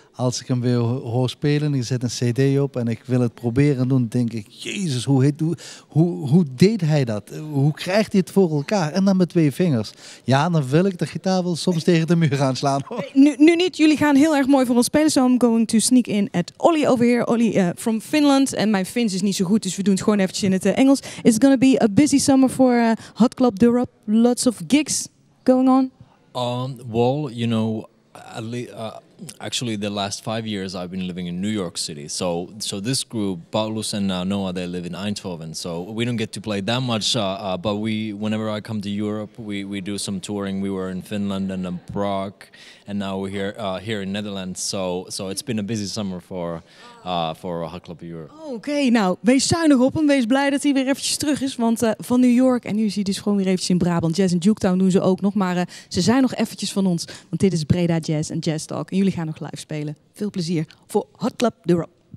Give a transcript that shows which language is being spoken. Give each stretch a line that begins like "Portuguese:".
Dutch: Als ik hem weer hoor spelen, ik zet een cd op en ik wil het proberen doen, denk ik, Jezus, hoe deed hij dat? Hoe krijgt hij het voor elkaar? En dan met twee vingers. Ja, dan wil ik de gitaar wel soms tegen de muur gaan slaan. Nu niet, jullie gaan heel erg mooi voor ons spelen.
English: So I'm going to sneak in at Olli over here. Olli from Finland.
Dutch: En mijn Fins is niet zo goed, dus we doen het gewoon eventjes in het Engels.
English: It's going to be a busy summer for Hot Club Durop. Lots of gigs going on. Well, you know, actually, the last 5 years I've been living in New York City. So this group, Paulus and Noah, they live in Eindhoven. So we don't get to play that much. But whenever I come to Europe, we do some touring. We were in Finland and in Prague, and now we're here in Netherlands. So it's been a busy summer for Hot Club Europe.
Dutch: Okay, nou, wees zuinig op hem. Wees blij dat hij weer eventjes terug is. Want van New York, en nu is hij dus gewoon weer eventjes in Brabant. Jazz in Juketown doen ze ook nog. Maar ze zijn nog eventjes van ons. Want dit is Breda Jazz en Jazz Talk. En jullie gaan nog live spelen. Veel plezier voor Hot Club Europe.